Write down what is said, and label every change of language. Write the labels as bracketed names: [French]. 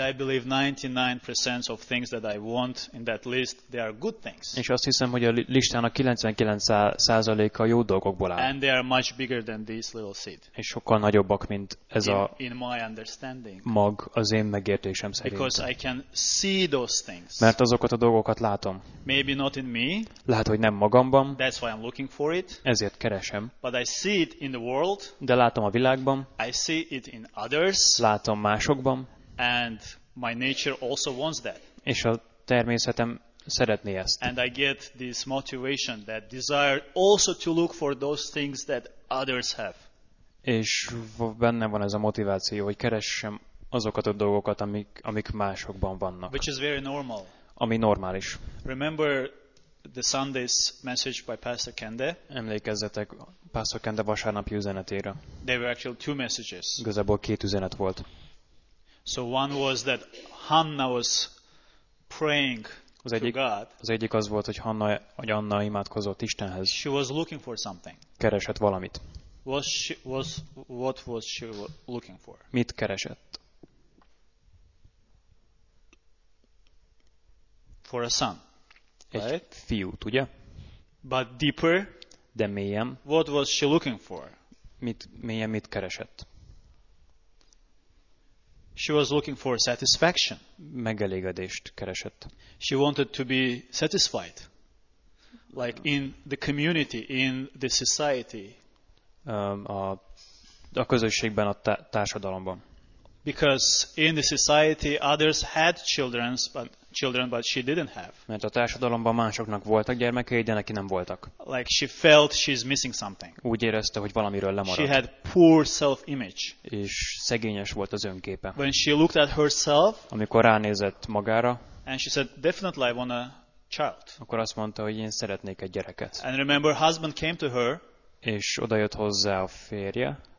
[English] And I believe 99% of things that I want in that list, they are good things. [Hungarian] És azt hiszem, hogy a listának 99%-a jó dolgokból áll. [English] And they are much bigger than this little seed. [Hungarian] És sokkal nagyobbak, mint ez [English] in [Hungarian] a mag az én megértésem szerint. [English] Because I can see those things. [Hungarian] Mert azokat a dolgokat látom. [English] Maybe not in me. [Hungarian] Lehet, hogy nem magamban. [English] That's why I'm looking for it. [Hungarian] Ezért keresem. [English] But I see it in the world. [Hungarian] De látom a világban. [English] I see it in others. [Hungarian] Látom másokban. [English] And my nature also wants that. [Hungarian] És a természetem szeretné ezt. [English] And I get this motivation, that desire also to look for those things that others have. [Hungarian] És benne van ez a motiváció, hogy keressem azokat a dolgokat, amik másokban vannak. [English] Which is very normal. [Hungarian] Ami normális. [English] Remember the Sunday's message by Pastor Kende? [Hungarian] Emlékezzetek Pastor Kende vasárnapi üzenetére. [English] There were actually two messages. [Hungarian] Igazából két üzenet volt. [English] So one was that Hannah was praying to God. [Hungarian] Az egyik az volt, hogy Anna imádkozott Istenhez. [English] She was looking for something. [Hungarian] Keresett valamit. [English] What was she looking for? [Hungarian] Mit keresett? [English] For a son. [Hungarian] Egy [English] right? [Hungarian] Fiút, ugye? [English] But deeper. [Hungarian] De mélyen. [English] What was she looking for? [Hungarian] Mit keresett? [English] She was looking for satisfaction. [Hungarian] Megelégedést keresett. [English] She wanted to be satisfied. Like in the community, in the society. [Hungarian] A közösségben, a társadalomban. [English] Because in the society others had children, but she didn't have. [Hungarian] Mert a társadalomban másoknak voltak gyermekei, de neki nem voltak. [English] Like she felt she's missing something. [Hungarian] Úgy érezte, hogy valamiről lemaradt. [English] She had poor self-image. [Hungarian] És szegényes volt az önképe. [English] When she looked at herself, [Hungarian] amikor ránézett magára, [English] and she said, definitely I want a child. [Hungarian] Akkor azt mondta, hogy én szeretnék egy gyereket. [English] And remember, husband came to her. [Hungarian] És odajött hozzá a férje.